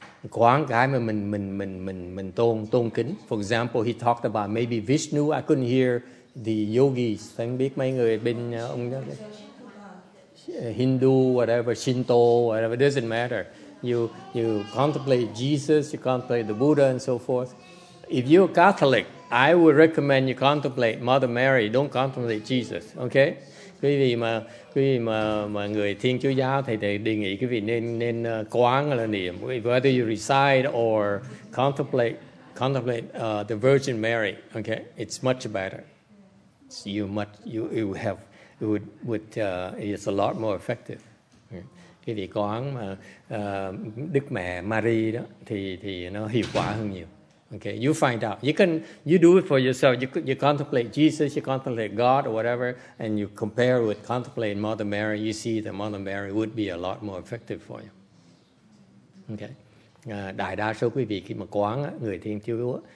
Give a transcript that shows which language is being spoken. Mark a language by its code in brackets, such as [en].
[vi] Quán cái mà mình tôn kính. [en] For example, he talked about maybe Vishnu. I couldn't hear. The yogis, [vi] phải không biết mấy người bên ông đó, [en] Hindu, whatever, Shinto, whatever, it doesn't matter. You contemplate Jesus, you contemplate the Buddha and so forth. If you're a Catholic, I would recommend you contemplate Mother Mary, don't contemplate Jesus, okay? [vi] Quý vị mà người Thiên Chúa giáo thì đề nghị quý vị nên quán là niệm. [en] Whether you recite or contemplate the Virgin Mary, okay? It's much better. It's a lot more effective. [vi] Cái vị quán mà Đức Mẹ Mary đó thì nó hiệu quả hơn nhiều. [en] Okay, you find out. You do it for yourself. You contemplate Jesus, you contemplate God or whatever, and you compare with contemplate Mother Mary. You see that Mother Mary would be a lot more effective for you. [vi] Okay, đại đa số quý vị khi mà quán người Thiên Chúa.